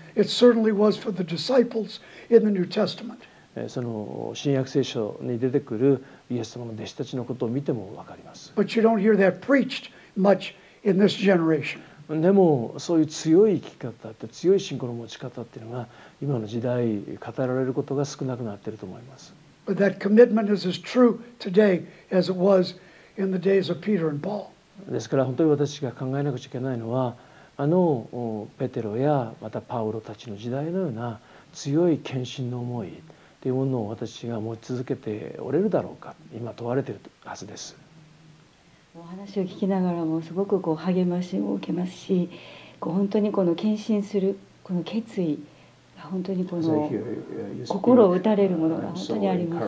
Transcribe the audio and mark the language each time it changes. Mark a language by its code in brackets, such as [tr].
[en] It certainly was for the disciples in the New Testament. [ja] その新約聖書に出てくるイエス様の弟子たちのことを見ても分かります。 [en] But you don't hear that preached much in this generation. [ja] でもそういう強い生き方って、強い信仰の持ち方っていうのが、今の時代語られることが少なくなっていると思います。 [en] But that commitment is as true today as it was in the days of Peter and Paul. [ja] ですから本当に私が考えなくちゃいけないのは、あのペテロやまたパウロたちの時代のような強い献身の思いというものを私が持ち続けておれるだろうか、今問われているはずです。お話を聞きながらもすごくこう励ましを受けますし、こう本当にこの献身するこの決意、本当にこの心を打たれるものが本当にあります。